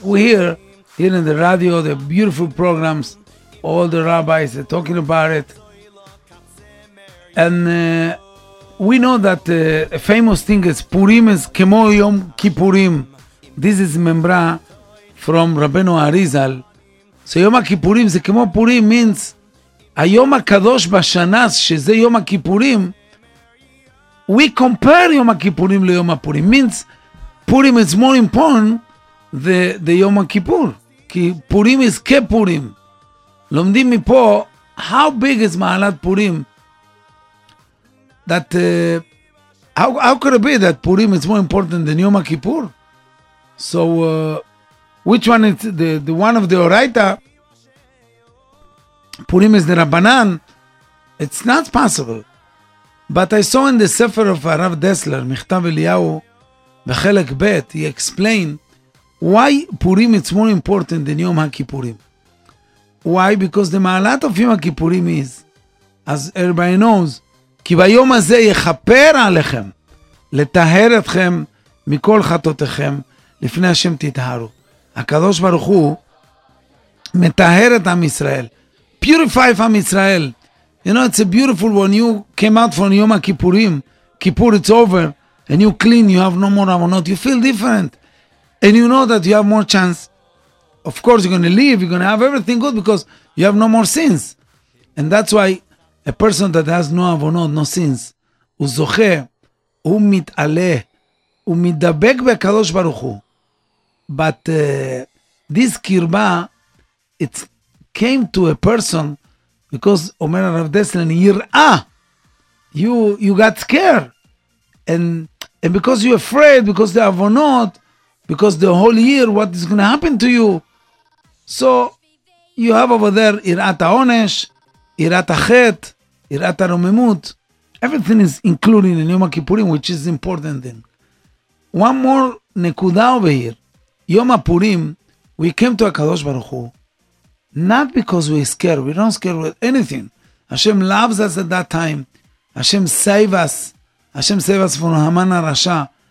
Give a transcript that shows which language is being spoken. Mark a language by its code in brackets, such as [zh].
[en] We hear here in the radio the beautiful programs, all the rabbis are talking about it, and we know that a famous thing is Purim is Kemo Yom Kippurim. This is Membra from Rabbeinu Arizal. [he] So Yom HaKippurim, זה כמו פורים, means היום הקדוש בשנה, שזה יום הכיפורים, [en] we compare [he] יום הכיפורים ליום הפורים, means פורים [en] is more important than the [he] יום הכיפור, כי פורים is כפורים. לומדים מפה, [en] how big is מעלת פורים, that, how could it be that פורים is more important than יום הכיפור? So, which one is the one of the Oraita? Purim is the Rabbanan. It's not possible. But I saw in the Sefer of Rav Dessler, Michtav Eliyahu, Bechelek Bet, he explained why Purim is more important than Yom HaKippurim. Why? Because the Ma'alat of Yom HaKippurim is, as everybody knows, [he] Ki b'yom hazeh yechaper alechem, letaher etchem mikol chatotechem, לפני השם תתהרו. הקדוש ברוך הוא מתהר את עם ישראל. [en] Purify from Israel. You know, it's a beautiful when you came out from Yom Kippurim. Kippur, it's over. And you clean, you have no more avonot. You feel different. And you know that you have more chance. Of course, you're going to leave. You're going to have everything good because you have no more sins. And that's why a person that has no avonot, no sins, [he] הוא זוכה, הוא מתעלה, הוא מדבק בקדוש ברוך הוא. [en] But this קרבה, it came to a person because, [he] אומר הרב דסלן, [en] יראה. You got scared. And because you're afraid, because the avonot, because the whole year, what is going to happen to you? So you have over there [he] יראת העונש, יראת החטא, יראת הרוממות. [en] Everything is included in Yom HaKippurim, which is important then. One more nekuda over here. Yom HaPurim, we came to HaKadosh Baruch Hu, not because we're scared. We don't scare with anything. Hashem loves us at that time. Hashem save us. Hashem save us from Haman HaRasha.